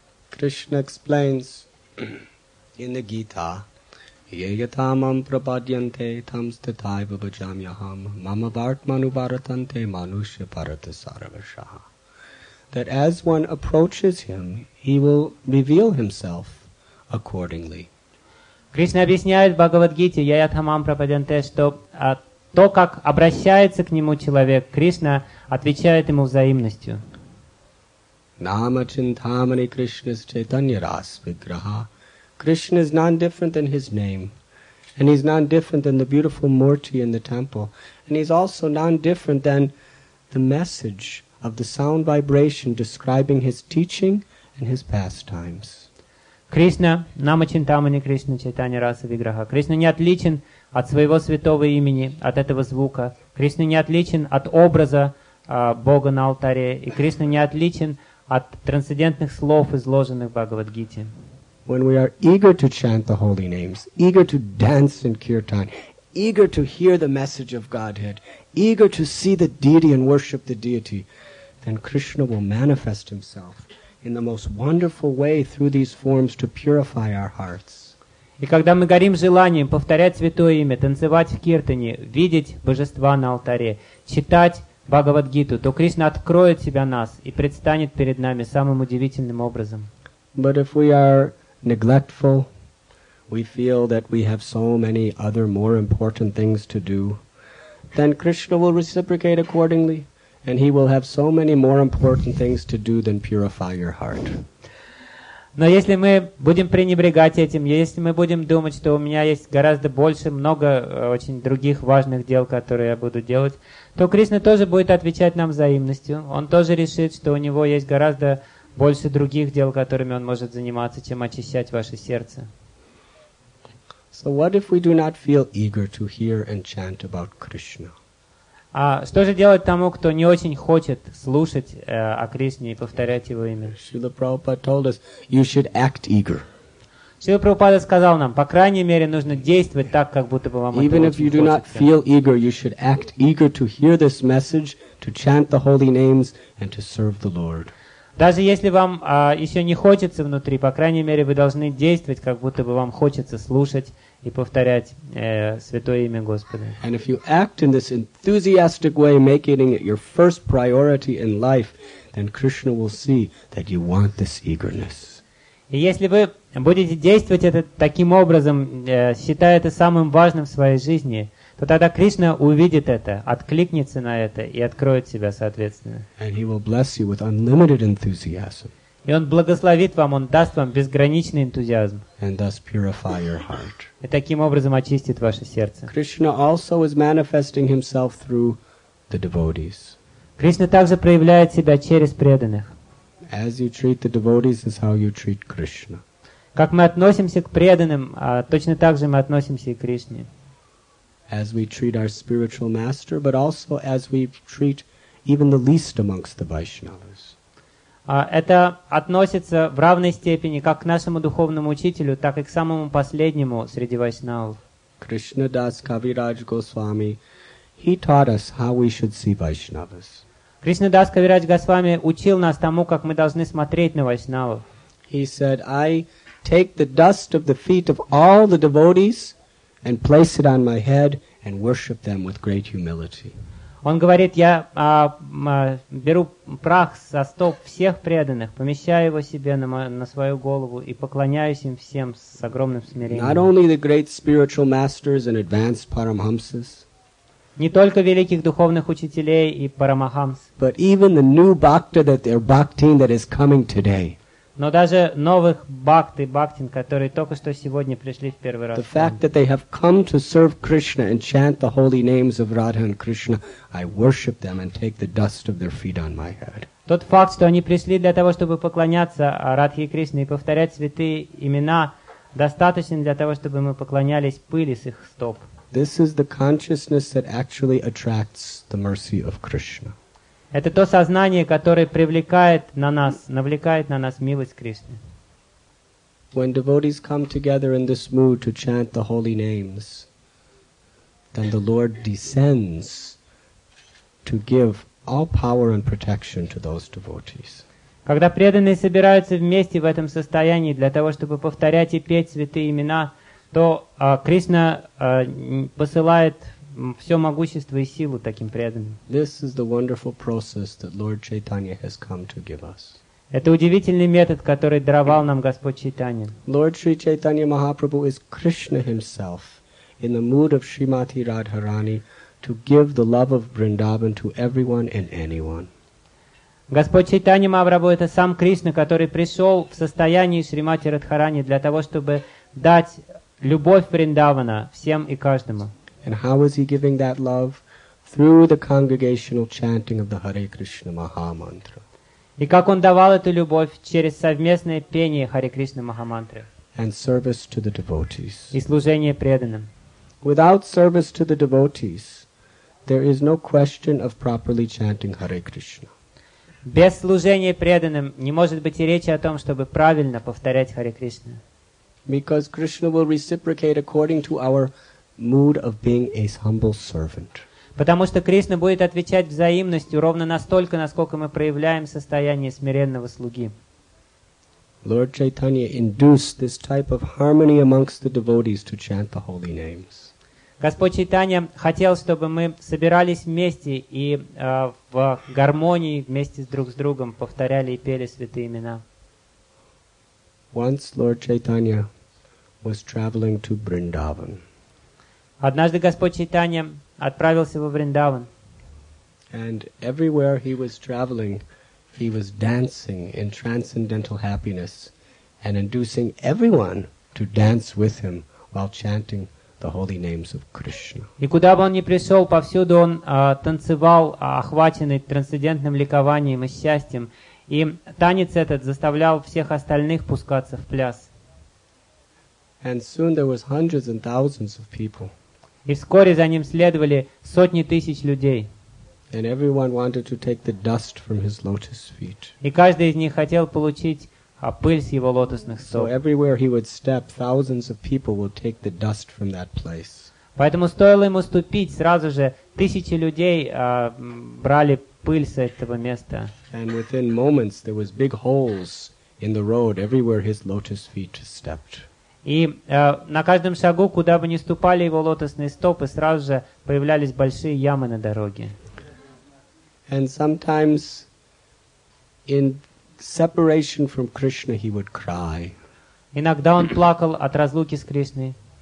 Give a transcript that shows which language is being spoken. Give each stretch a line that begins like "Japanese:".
English: Krishna explains in the Gita,
Sanskrit: yayatamam prapadyante tam stathai bhavajamyaham mama vartmanu varatante manushya parata sarvashaha,
English: that as one approaches him, he will reveal himself accordingly.
Russian: Кришна объясняет в Бхагавадгите,
Sanskrit: yayatamam prapadyante,
Russian: что то, как обращается к нему человек, Кришна отвечает ему взаимностью.
Sanskrit: Nama chintamani krishna chaitanya ras vigraha.
English: Krishna is non-different than his name, and he's non-different than the beautiful murti in the temple, and he's also non-different than the message of the sound vibration describing his teaching and his pastimes.
Sanskrit: Krishna, nama chintamani krishna chaitanya rasa vigraha.
Russian: Krishna не отличен от своего святого имени, от этого звука. Krishna не отличен от образа Бога на алтаре, и Krishna не отличен от трансцендентных слов, изложенных в Бхагавадгите.
English: When we are eager to chant the holy names, eager to dance in kirtan, eager to hear the message of Godhead, eager to see the deity and worship the deity, then Krishna will manifest himself in the most wonderful way through these forms to purify our hearts.
Russian: И когда мы горим желанием повторять святое имя, танцевать в киртане, видеть божества на алтаре, читать Бхагавадгиту, то Кришна откроет себя нас и предстанет перед нами самым удивительным образом.
English: But if we are neglectful, we feel that we have so many other more important things to do, then Krishna will reciprocate accordingly, and he will have so many more important things to do than purify your heart.
Russian: Но если мы будем пренебрегать этим, если мы будем думать, что у меня есть гораздо больше, много очень других важных дел, которые я буду делать, то Кришна тоже будет отвечать нам взаимностью. Он тоже решит, что у него есть гораздо больше других дел, которыми он может заниматься, чем очищать ваше сердце.
English: So what if we do not feel eager to hear and chant about Krishna?
Russian: А что же делать тому, кто не очень хочет слушать о Кришне и повторять его имя?
English: Srila Prabhupada told us, you should act eager.
Russian: Srila Prabhupada сказал нам, по крайней мере, нужно действовать так, как будто бы вам
English: Even if you do
Russian: хочется.
English: Not feel eager, you should act eager to hear this message, to chant the holy names and to serve the Lord.
Russian: Даже если вам еще не хочется внутри, по крайней мере, вы должны действовать, как будто бы вам хочется слушать и повторять святое имя Господа.
English: And if you act in this enthusiastic way, making it your first priority in life, then Krishna will see that you want this eagerness.
Russian: И если вы будете действовать это таким образом, считая это самым важным в своей жизни, то тогда Кришна увидит это, откликнется на это и откроет себя соответственно.
English: And he will bless you with unlimited enthusiasm.
Russian: И он благословит вам, он даст вам безграничный энтузиазм.
English: And thus purify your heart.
Russian: И таким образом очистит ваше сердце.
English: Krishna also is manifesting himself through the devotees.
Russian: Кришна также проявляет себя через преданных.
English: As you treat the devotees is how you treat Krishna.
Russian: Как мы относимся к преданным, точно так же мы относимся и к Кришне.
English: As we treat our spiritual master, but also as we treat even the least amongst the Vaishnavas.
Russian: Это относится в равной степени как к нашему духовному учителю, так и к самому последнему среди вайшнавов.
English: Krishna Das Kaviraj Goswami, he taught us how we should see Vaishnavas.
Russian: Krishna Das Kaviraj Goswami учил нас тому, как мы должны смотреть на вайшнавов.
English: He said, I take the dust of the feet of all the devotees and place it on my head and worship them with great humility.
Russian: Он говорит, я беру прах со стоп всех преданных, помещаю его себе на свою голову и поклоняюсь им всем с огромным смирением.
English: Not only the great spiritual masters and advanced paramahamsas,
Russian: не только великих духовных учителей и парамахамс,
English: but even the new bhaktin that is coming today.
Russian: Но даже новых бхакт и бхактин, которые только что сегодня пришли в первый раз.
English: The fact that they have come to serve Krishna and chant the holy names of Radha and Krishna, I worship them and take the dust of their feet on my head.
Russian: Тот факт, что они пришли для того, чтобы поклоняться Радхе и Кришне и повторять святые имена, достаточен для того, чтобы мы поклонялись пыли с их стоп.
English: This is the consciousness that actually attracts the mercy of Krishna.
Russian: Это то сознание, которое привлекает на нас, навлекает на нас милость Кришны.
English: When devotees come together in this mood to chant the holy names, then the Lord descends to give all power and protection to those devotees.
Russian: Когда преданные собираются вместе в этом состоянии для того, чтобы повторять и петь святые имена, то Кришна посылает все могущество и силу таким преданным.
English: This is the wonderful process that Lord Chaitanya has come to give us.
Russian: Это удивительный метод, который даровал нам Господь Чайтанья.
English: Lord Sri Chaitanya Mahaprabhu is Krishna himself in the mood of Srimati Radharani to give the love of Vrindavan to everyone and anyone.
Russian: Господь Чайтанья Махапрабху это сам Кришна, который пришел в состоянии Шримати Радхарани для того, чтобы дать любовь Вриндавана всем и каждому.
English: And how is he giving that love? Through the congregational chanting of the Hare Krishna Mahamantra.
Russian: И как он давал эту любовь через совместное пение Hare Krishna Mahamantra.
English: And service to the devotees.
Russian: И служение преданным.
English: Without service to the devotees, there is no question of properly chanting Hare Krishna.
Russian: Без служения преданным не может быть и речи о том, чтобы правильно повторять Hare Krishna.
English: Because Krishna will reciprocate according to our mood of being a humble servant.
Russian: Потому что Кришна будет отвечать взаимностью ровно настолько, насколько мы проявляем состояние смиренного слуги.
English: Lord Chaitanya induced this type of harmony amongst the devotees to chant the holy names.
Russian: Господь Чайтанья хотел, чтобы мы собирались вместе и в гармонии вместе друг с другом повторяли и пели святые имена.
English: Once Lord Chaitanya was traveling to Vrindavan.
Russian: Однажды Господь Чайтанья отправился во Вриндаван.
English: And everywhere he was traveling, he was dancing in transcendental happiness and inducing everyone to dance with him while chanting the holy names of Krishna.
Russian: И куда бы он ни пришел, повсюду он танцевал, охваченный трансцендентным ликованием и счастьем. И танец этот заставлял всех остальных пускаться в пляс.
English: And soon there was hundreds and thousands of people.
Russian: И вскоре за ним следовали сотни тысяч людей.
English: And everyone wanted to take the dust from his lotus feet.
Russian: И каждый из них хотел получить пыль с его лотосных стоп.
English: So everywhere he would step, thousands of people would take the dust from that place.
Russian: Поэтому стоило ему ступить, сразу же тысячи людей брали пыль с этого места.
English: And within moments there was big holes in the road everywhere his lotus feet stepped.
Russian: И на каждом шагу, куда бы ни ступали его лотосные стопы, сразу же появлялись большие ямы на дороге.
English: And sometimes in separation from Krishna, he would cry.
Russian: Иногда он плакал от разлуки с Кришной.